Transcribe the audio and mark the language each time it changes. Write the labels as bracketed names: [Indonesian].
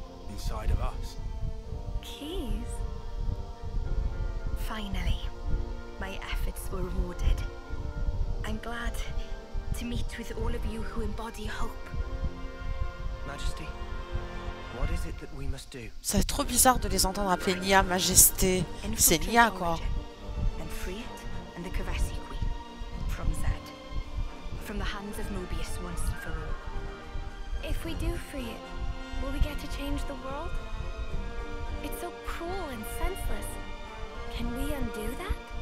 [English] Inside of us? Keys? Finally. My efforts were rewarded. I'm glad to meet with all of you who embody hope. Majesty, what is it that we must do? [French] C'est trop bizarre de les entendre appeler Nia Majesté. C'est Nia quoi. [English] And free it and the Kaveti Queen from Zed. From the hands of Mobius once and for all. If we do free it, will we get to change the world? It's so cruel and senseless. Can we undo that?